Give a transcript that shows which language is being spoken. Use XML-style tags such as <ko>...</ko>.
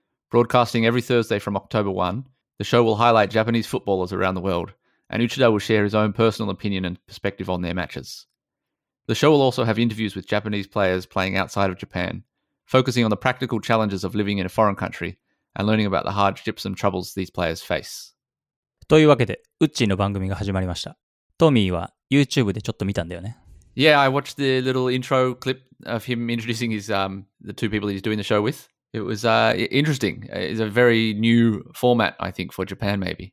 <en>Broadcasting every Thursday from October 1, the show will highlight Japanese footballers around the world, and Uchida will share his own personal opinion and perspective on their matches. The show will also have interviews with Japanese players playing outside of Japan, focusing on the practical challenges of living in a foreign country and learning about the hardships and troubles these players face.</en> <ja>というわけで、ウッチーの番組が始まりました。トミーは YouTube でちょっと見たんだよね。</ja> <en>Yeah, I watched the little intro clip of him introducing his, the two people he's doing the show with. It was interesting. It's a very new format, I think, for Japan, maybe.</en>